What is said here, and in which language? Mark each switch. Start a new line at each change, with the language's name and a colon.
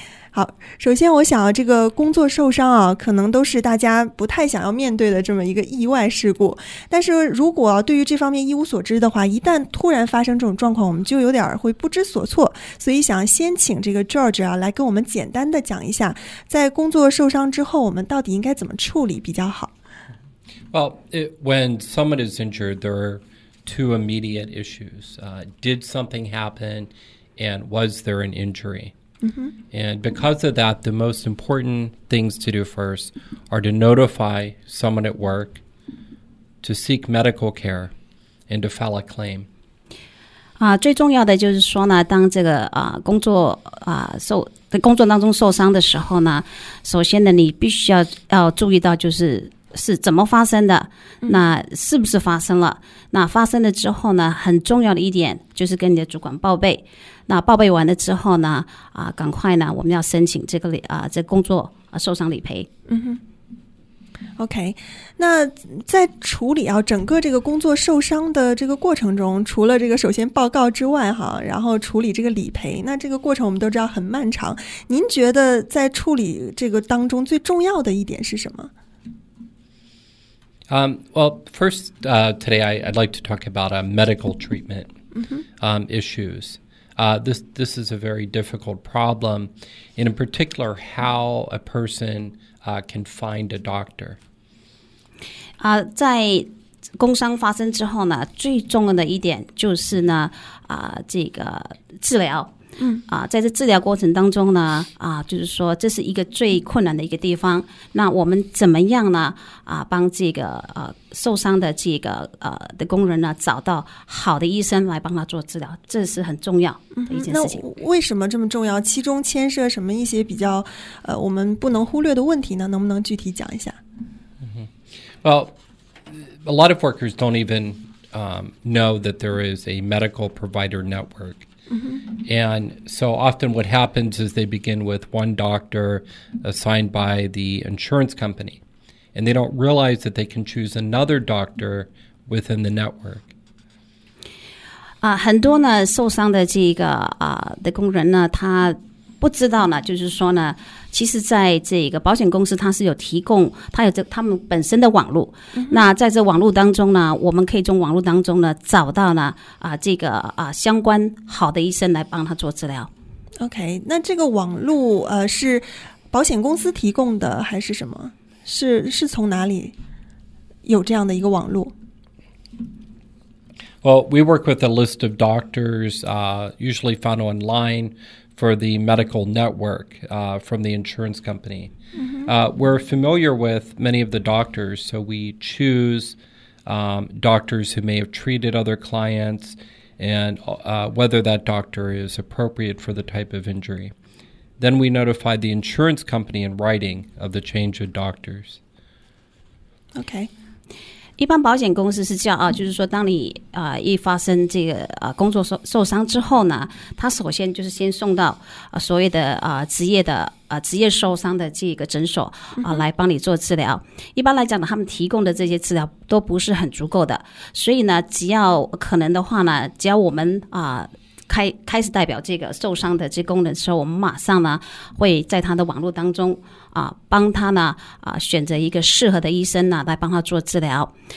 Chinese: 好，首先我想这个工作受伤可能都是大家不太想要面对的这么一个意外事故，但是如果对于这方面一无所知的话，一旦突然发生这种状况，我们就有点会不知所措，所以想先请这个 George 来跟我们简单的讲一下，在工作受伤之后我们到底应该怎么处理比较好。
English: Well, when someone is injured, there are two immediate issues. Did something happen and was there an injury? And because of that, the most important things to do first are to notify someone at work, to seek medical care, and to file a claim.
Chinese: 最重要的就是说呢，当这个工作在工作当中受伤的时候呢，首先呢，你必须要注意到就是是怎么发生的，那是不是发生了？那发生了之后呢，很重要的一点就是跟你的主管报备。那报备完了之后呢，赶快呢，我们要申请这个这工作受伤理赔。嗯哼。 OK， 那在处理整个这个工作受伤的这个过程中，除了这个首先报告之外然后处理这个理赔，那这个过程我们都知道很漫长。您觉得在处理这个当中最重要的一点是什么？
English: Today I'd like to talk about medical treatment issues. This is a very difficult problem, and in particular, how a person can find a doctor.
Chinese: 在工伤发生之后呢，最重要的一点就是呢，这个治疗。在这治疗过程当中呢，就是说这是一个最困难的一个地方。那我们怎么样呢？帮这个受伤的这个的工人呢，找到好的医生来帮他做治疗，这是很重要的一件事情。那为什么这么重要？其中牵涉什么一些比较我们不能忽略的问题呢？能不能具体讲一下？
English: Well, a lot of workers don't even know that there is a medical provider network. And so often what happens is they begin with one doctor assigned by the insurance company, and they don't realize that they can choose another doctor within the network.
Chinese: 很多呢受伤的这个的工人呢，他不知道呢，就是说呢，其实在这个保险公司他是有提供，他有他们本身的网络。那在这网络当中呢，我们可以从网络当中呢找到呢这个相关好的医生来帮他做治疗。 OK， 那这个网络是保险公司提供的还是什么？是从哪里有这样的一个网络？
English: Well, we work with a list of doctors, usually found online for the medical network from the insurance company. We're familiar with many of the doctors, so we choose doctors who may have treated other clients and whether that doctor is appropriate for the type of injury. Then we notify the insurance company in writing of the change of doctors. Okay.
Chinese: 一般保险公司是叫就是说当你一发生这个工作受伤之后呢，他首先就是先送到所谓的职业受伤的这个诊所来帮你做治疗。一般来讲呢，他们提供的这些治疗都不是很足够的，所以呢，只要可能的话呢，只要我们开始代表这个受伤的这功能的时候，我们马上呢会在他的网络当中帮他呢选择一个适合的医生呢来帮他做治疗。